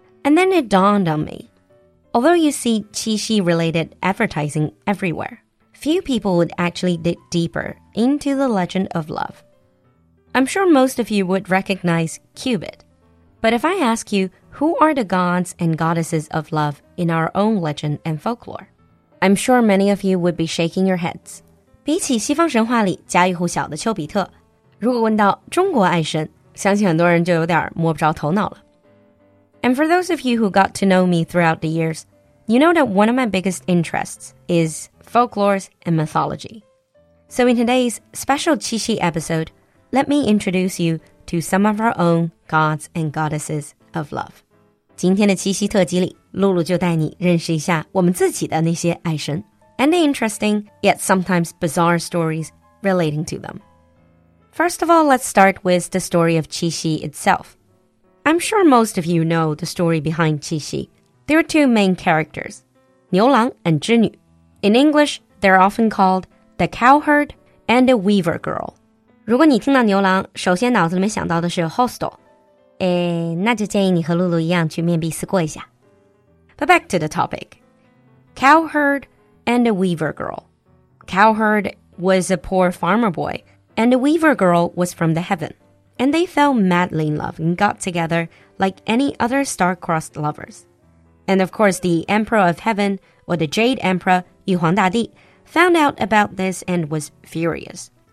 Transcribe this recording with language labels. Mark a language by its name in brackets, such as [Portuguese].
[English] And then it dawned on me. Although you see 七夕 related advertising everywhere, few people would actually dig deeper into the legend of love. I'm sure most of you would recognize Cupid. But if I ask you, who are the gods and goddesses of love in our own legend and folklore? I'm sure many of you would be shaking your heads. [Chinese] 比起西方神话里家喻户晓的丘比特，如果问到中国爱神，相信很多人就有点摸不着头脑了。 [English] And for those of you who got to know me throughout the years, you know that one of my biggest interests is folklore and mythology. So in today's special 七夕 episode, let me introduce you to some of our own gods and goddesses of love. [Chinese] 今天的七夕特辑里，露露就带你认识一下我们自己的那些爱神。 [English] And the interesting, yet sometimes bizarre stories relating to them. First of all, let's start with the story of Qi Xi itself. I'm sure most of you know the story behind Qi Xi. There are two main characters, [Chinese] 牛郎and 织女. [English] In English, they're often called the cowherd and the weaver girl. [Chinese] 如果你听到牛郎，首先脑子里面想到的是 hostel. 那就建议你和露露一样去面壁思过一下。 [English] But back to the topic. Cowherd. And a weaver girl. Cowherd was a poor farmer boy, and the weaver girl was from the heaven. And they fell madly in love and got together like any other star-crossed lovers. And of course, the emperor of heaven, or the jade emperor, Yu Huang Da Di, found out about this and was furious.